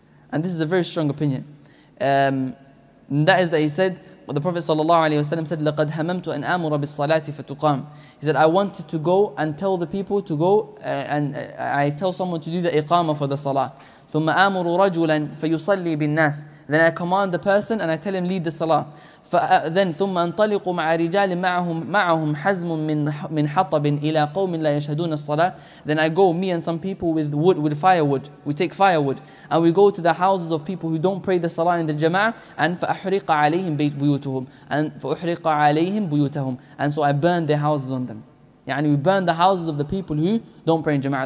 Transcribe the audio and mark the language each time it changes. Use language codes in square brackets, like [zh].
[en] And this is a very strong opinion. That is that he said, what the Prophet sallallahu alaihi wasallam said, [ar] لَقَدْ هَمَمْتُ أَنْ أَمُرَ بِالصَّلَاةِ فَتُقَامُ. [en] He said, I wanted to go and tell the people to go, and I tell someone to do the iqama for the salah. [ar] ثُمَّ أَمُرُ رَجُلًا فَيُصَلِّي بِالنَّاسِ. [en] Then I command the person and I tell him, lead the salah. [ar] Then, ثم انطلق مع رجال معهم حزم من حطب إلى قوم لا يشهدون الصلاة. [en] Then I go, me and some people with wood, with firewood. We take firewood and we go to the houses of people who don't pray the salah in the jama'ah. [ar] And فأحرق عليهم بيوتهم. And فأحرق عليهم بيوتهم. [en] And so I burn their houses on them. يعني, we burn the houses of the people who don't pray in jama'ah.